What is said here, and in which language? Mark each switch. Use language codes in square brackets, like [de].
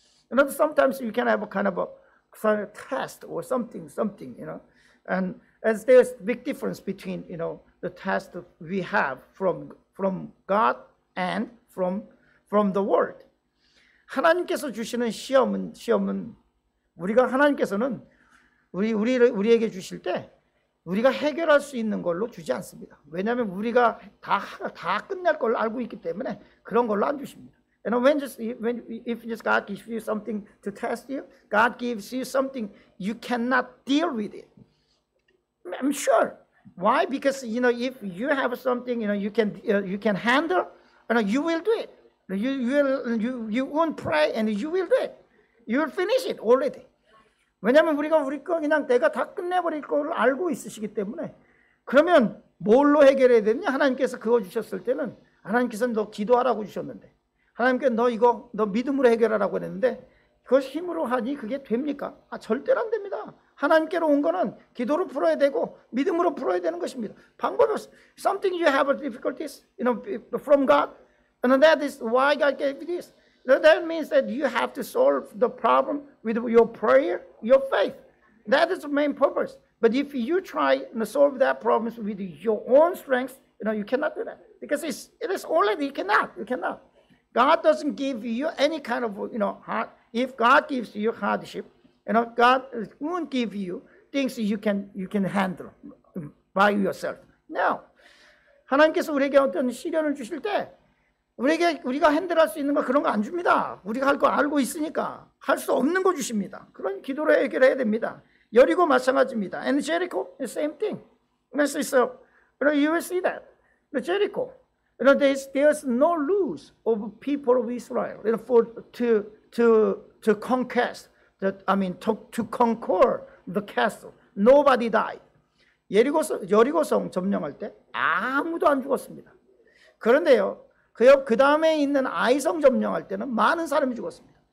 [en] You know, sometimes you can have a kind of a test or something, you know. And as there's big difference between, you know, the test we have from God and from the world. [ko] 하나님께서 주시는 시험은 우리가 하나님께서는 우리에게 주실 때 우리가 해결할 수 있는 걸로 주지 않습니다. 왜냐하면 우리가 다 끝낼 걸 알고 있기 때문에 그런 걸로 안 주십니다. [en] And when God gives you something to test you, God gives you something you cannot deal with it. I'm sure. Why? Because you know, if you have something, you know, you can handle, you know, you will do it. You won't pray, and you will do it. You will finish it already. [ko] 왜냐하면 우리가 우리 거 그냥 내가 다 끝내버릴 걸 알고 있으시기 때문에 그러면 뭘로 해결해야 되느냐? 하나님께서 그거 주셨을 때는 하나님께서 너 기도하라고 주셨는데 하나님께서 너 믿음으로 해결하라고 했는데 그걸 힘으로 하니 그게 됩니까? 아, 절대로 안 됩니다. 하나님께로 온 거는 기도로 풀어야 되고 믿음으로 풀어야 되는 것입니다. 방법은 [en] something you have difficulties you know, from God and that is why God gave this. That means that you have to solve the problem with your prayer, your faith. That is the main purpose. But if you try to solve that problem with your own strength, you know, you cannot do that. Because it is already, you cannot. God doesn't give you any kind of, you know, hard. If God gives you hardship, you know, God won't give you things you can handle by yourself. No. [ko] 하나님께서 우리에게 어떤 시련을 주실 때 우리가 핸들할 수 있는 거 그런 거 안 줍니다. 우리가 할 거 알고 있으니까 할 수 없는 거 주십니다. 그런 기도로 해결해야 됩니다. 여리고 마찬가지입니다. [en] And Jericho, the same thing. And so, you know, you will see that. The Jericho, you know, there's no rules of people of Israel, you know, to conquest, to conquer the castle. Nobody died. [ko] 여리고성 점령할 때 아무도 안 죽었습니다. 그런데요, 그 다음에 있는 아이성 점령할 때는 많은 사람이 죽었습니다.